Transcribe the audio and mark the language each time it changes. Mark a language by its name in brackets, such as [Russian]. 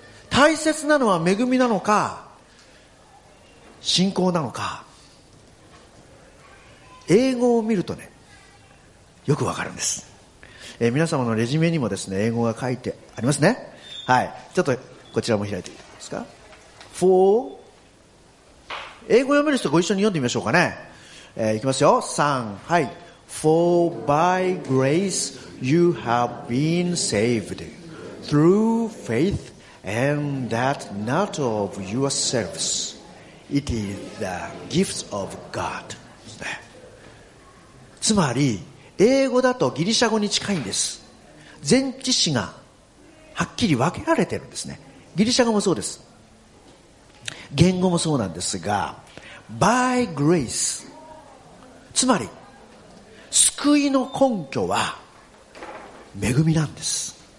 [Japanese] 大切なのは恵みなのか信仰なのか、英語を見るとねよくわかるんです。皆様のレジュメにもですね英語が書いてありますね。はい、ちょっとこちらも開いてみますか。 For、 英語読める人ご一緒に読んでみましょうかね。いきますよ、3、はい。 [English] For by grace you have been saved through faith and that not of yourselves, it is the gift of God。 [Japanese] つまり英語だとギリシャ語に近いんです。前置詞がはっきり分けられてるんですね。ギリシャ語もそうです、言語もそうなんですが、 by grace、つまり救いの根拠は恵みなんです。